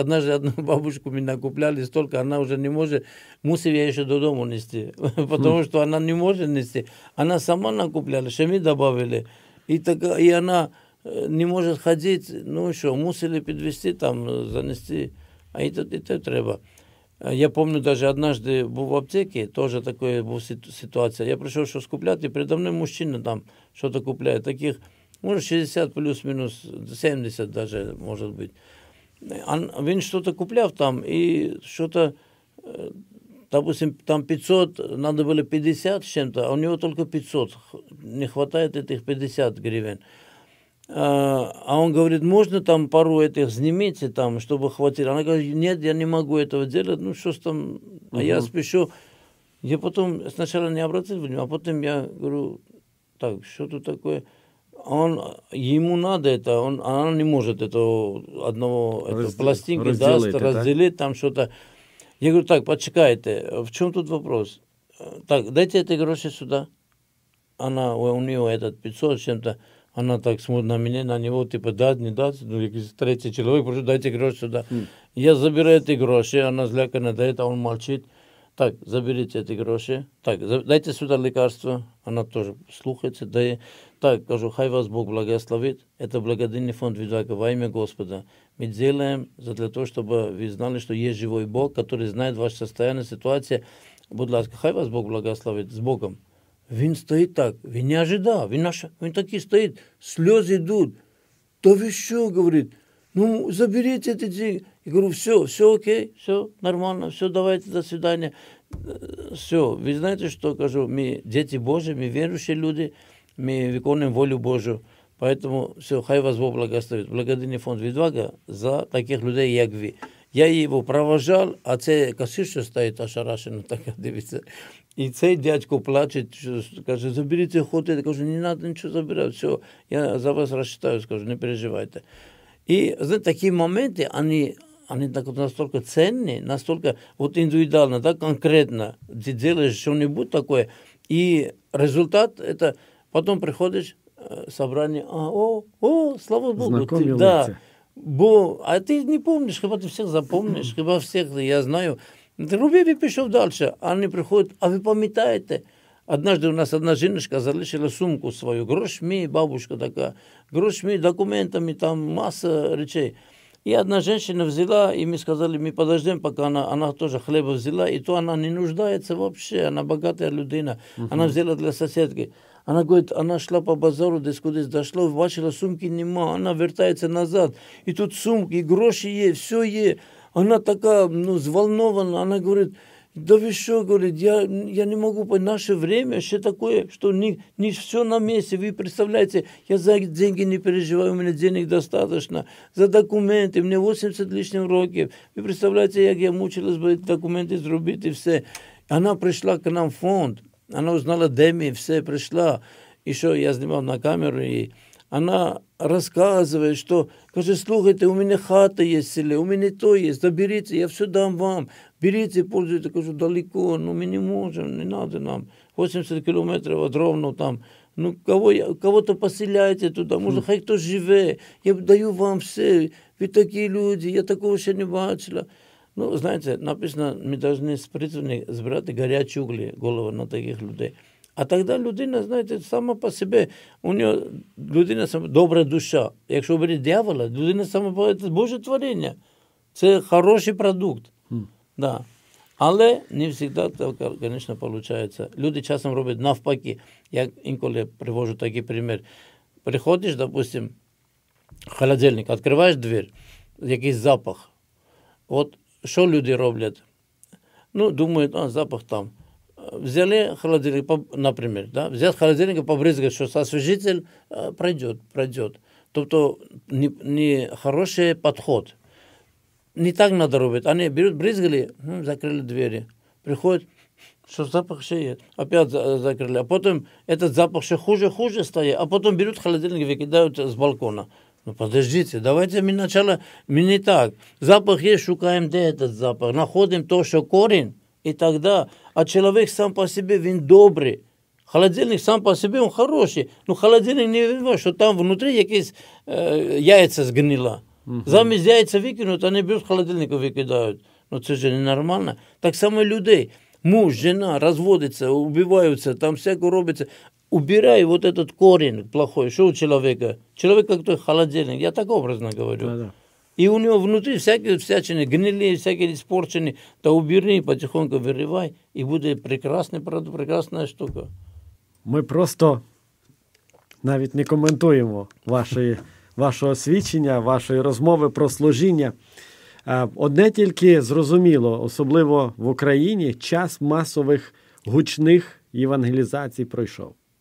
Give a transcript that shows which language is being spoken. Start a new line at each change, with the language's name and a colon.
Russian: Однажды одну бабушку меня купляли столько, она уже не может. Мусор я еще до дома нести, потому что она не может нести. Она сама накупляла, что мы добавили. И она... не может ходить, ну еще, мусили подвезти там, занести.
Ukrainian: А і тут і те треба. Я пам'ятаю, навіть однажды був в аптеці, теж така була ситуація. Я прийшов щось купляти, і передо мною мужчина там щось купляє. Таких, може, 60 плюс-мінус, 70 даже, може бути. А він щось купляв там, і щось, допустим, там 500, треба було 50 з чим-то, а у нього тільки 500, не вистачає цих 50 гривень.
Russian: А он говорит, можно там пару этих снимите, там, чтобы хватило? Она говорит, нет, я не могу этого делать, ну что ж там, а я спешу. Я потом сначала не обратил внимания, а потом я говорю, так, что тут такое? Он, ему надо это, он, она не может этого одного пластинки даст, разделить да? там что-то. Я говорю, так, почекайте, в чем тут вопрос? Так, дайте эти гроши сюда. Она, у нее этот 500 с чем-то. Она так смотрит на меня, на него, типа, дать, не дать. Ну, третий человек, прошу, дайте гроши сюда. Я забираю эти гроши, она злякана дает, а он молчит. Так, заберите эти гроши. Так, дайте сюда лекарство. Она тоже слухается, дает. Так, кажу,
Ukrainian: хай вас Бог благословит.
Russian: Это благодарный фонд Видака во имя Господа. Мы делаем для того, чтобы вы знали, что есть живой Бог, который знает ваше состояние, ситуацию.
Ukrainian: Будь ласка, хай вас Бог благословит.
Russian: С Богом.
Ukrainian: Він стоїть так, він не ожидав, він такий стоїть, сльози йдуть. Та ви що, говорить, ну заберіть ці деньги.
Russian: Я говорю, все, все окей, все нормально, все, давайте, до свидання.
Ukrainian: Все, ви знаєте, що кажу, ми діти Божі, ми віруючі люди, ми виконуємо волю Божу.
Russian: Поэтому все,
Ukrainian: хай вас Бог благословить. Благодарний фонд «Відвага» за таких людей, як ви.
Russian: Я его провожал, а це касирша стоит ошарашена, такая дивиться. И цей дядько плачет, каже, заберите охоту. Я кажу, не надо ничего забирать, все, я за вас рассчитаю, скажу, не переживайте. И знаете, такие моменты, они настолько ценные, настолько вот индивидуально, да, конкретно. Ты делаешь что-нибудь такое, и результат это, потом приходишь, собрание, слава Богу. Знакомился. Да.
Ukrainian: Бо, а ти не помниш, хіба ти всіх запомниш, хіба всіх, я знаю. Робив і пішов далі, а вони приходять, а ви пам'ятаєте? Однажды у нас одна жіночка залишила сумку свою, грошми, бабушка така, грошми, документами, там маса речей. І одна жінка взяла, і ми сказали, ми подождемо, поки вона теж хлеба взяла, і то вона не нуждається взагалі, вона багата людина, вона взяла для сусідки.
Russian: Она говорит, она шла по базару,
Ukrainian: десь кудись
Russian: дошла,
Ukrainian: бачила, сумки нема,
Russian: она вертається назад. И тут сумки, гроші є, все є. Она така, ну, зволнована, она говорит, да ви що, говорит, я не могу, наше время ще такое, что не все на месте. Ви представляете, я за деньги не переживаю,
Ukrainian: у мене
Russian: денег достаточно, за документи, мне 80 лишнім років.
Ukrainian: Ви представляете, як я мучилась би документи зробити, все. Она прийшла к нам в фонд. Она узнала, де ми все прийшла, і що я знімав на камеру, і вона розказує, що, каже, слухайте, у мене хата є в селі, у мене то є, заберіться, я все дам вам, беріться, пользуйтесь, кажу, далеко, ну ми не можемо, не треба нам, 80 кілометрів від Ровно там, ну кого-то поселяйте туди, може, хай хто живе, я даю вам все, ви такі люди, я такого ще не бачила.
Russian: Ну, знаете, написано, мы должны сбирать горячие угли головы на таких людей. А тогда людина, знаете, сама по себе, у нее людина сама, добрая душа. Если убрать дьявола, людина сама по себе, это Божье творение. Это хороший продукт. Да. Але не всегда, конечно, получается. Люди часто делают навпаки. Я иногда привожу такой пример. Приходишь, допустим, в холодильник, открываешь дверь, какой-то запах.
Ukrainian: Вот що люди роблять? Ну, думають, запах там. Взяли холодильник, наприклад, да? Взяв холодильник, побризгав, що освіжитель пройде, пройде. Тобто, не хороший підход. Не так треба робити. Вони беруть, бризгали, закрили двері. Приходять, що запах ще є. Опять закрили. А потім цей запах ще хуже-хуже стає. А потім беруть холодильник, викидають з балкона.
Russian: Ну, подождите, давайте мы сначала, мы не так, запах есть, шукаем, где этот запах, находим то, что корень, и тогда, а человек сам по себе, он добрый, холодильник сам по себе, он хороший, но холодильник не виноват, что там внутри какие-то яйца сгнило, вместо яйца выкинут, они берут холодильник и выкидают, ну, это же ненормально, так само людей, муж, жена разводится, убиваются, там всякое робится. Убирай вот этот корень плохой, что у человека. Человек как-то холодильник, я так образно говорю. Да, да. И у него внутри всякие всячины гнилые, всякие испорченные. Да убери, потихоньку вырывай, и будет прекрасный продукт, прекрасная штука.
Ukrainian: Мы просто навіть не коментуємо вашого свідчення, вашої розмови про служіння. Одне тільки зрозуміло, особливо в Україні, час масових гучних євангелізацій пройшов.